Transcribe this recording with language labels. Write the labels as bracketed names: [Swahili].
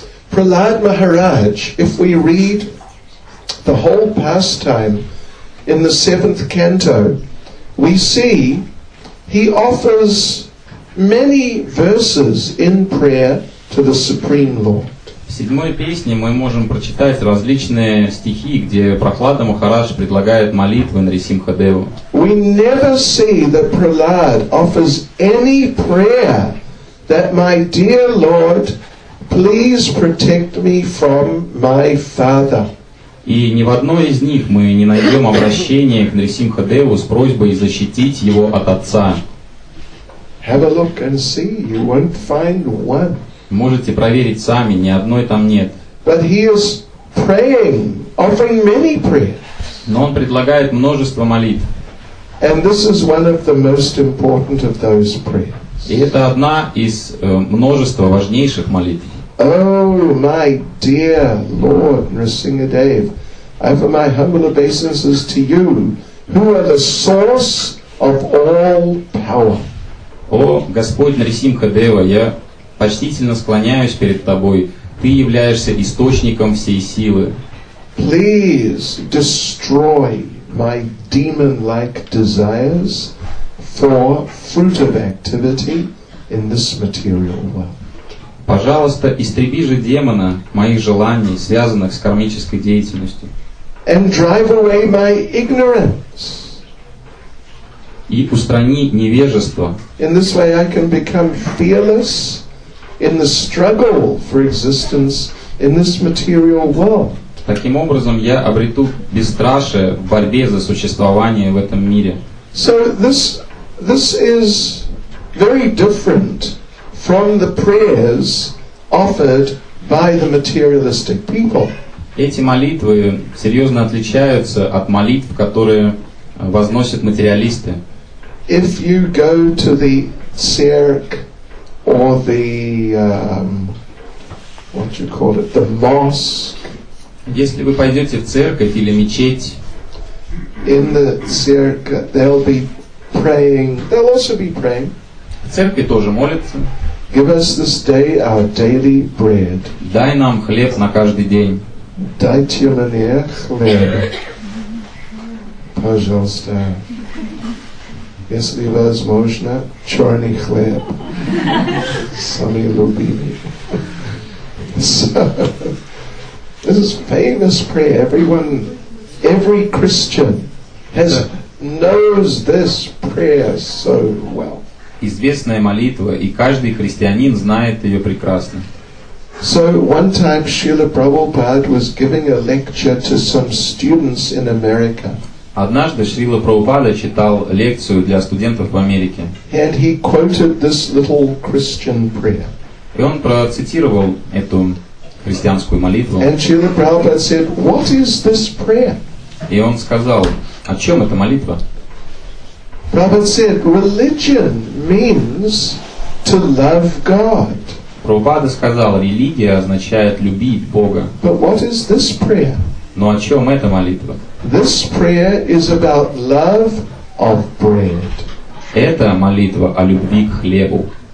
[English] Prahlad Maharaj, if we read the whole pastime in the seventh canto, we see he offers many verses in prayer to the Supreme Lord. [Russian] В седьмой песне мы можем прочитать различные стихи, где Прахлада Махарадж предлагает молитвы Нарисимхадеву. [English] We never see that Prahlad offers any prayer that my dear Lord please protect me from my father. [Russian] И ни в одной из них мы не найдем обращения к Нарисимхадеву с просьбой защитить его от отца. [English] Have a look and see, you won't find one. [Russian] Можете проверить сами, ни одной там нет. [English] But he is praying, offering many prayers. [Russian] Но он предлагает множество молитв. [English] And this is one of the most important of those prayers. [Russian] И это одна из множества важнейших молитв. [English] Oh, my dear Lord Nrsimhadev, I offer my humble obeisances to you, who are the source of all power. [Russian] О, Господь Нарисимхадева, я почтительно склоняюсь перед тобой. Ты являешься источником всей силы. [English] Please destroy my demon-like desires for fruit of activity in this material world. [Russian] Пожалуйста, истреби же демона моих желаний, связанных с кармической деятельностью. [English] And drive away my ignorance. [Russian] И устрани невежество. [English] In this way I can become fearless in the struggle for existence in this material world. [Russian] Таким образом, я обрету бесстрашие в борьбе за существование в этом мире. [English] So this is very different from the prayers offered by the materialistic people. [Russian] Эти молитвы серьезно отличаются от молитв, которые возносят материалисты. [English] If you go to the Sirk or the what you call it, the mosque. [Russian] Если вы пойдете в церковь или мечеть. [English] In the Sirk, they'll be praying. They'll also be praying. [Russian] В церкви тоже молятся. [English] Give us this day our daily bread. [Russian] Дай нам хлеб на каждый день. Дайте мне хлеб. Пожалуйста. Если возможно, черный хлеб. Самый любимый. [English] So, this is famous prayer. Everyone, every Christian has knows this prayer so well. [Russian] Известная молитва, и каждый христианин знает ее прекрасно. [English] So one time Srila Prabhupada was giving a lecture to some students in America. [Russian] Однажды Шрила Прабхупада читал лекцию для студентов в Америке. [English] And he quoted this little Christian prayer. [Russian] И он процитировал эту христианскую молитву. [English] And Srila Prabhupada said, "What is this prayer?" [Russian] И он сказал, о чем эта молитва? [English] Prabhupada said, "Religion means to love God." [Russian] Прабхупада сказал, религия означает любить Бога. [English] But what is this prayer? [Russian] Но о чем эта молитва? [English] This prayer is about love of bread. [Russian] Это молитва о любви к хлебу.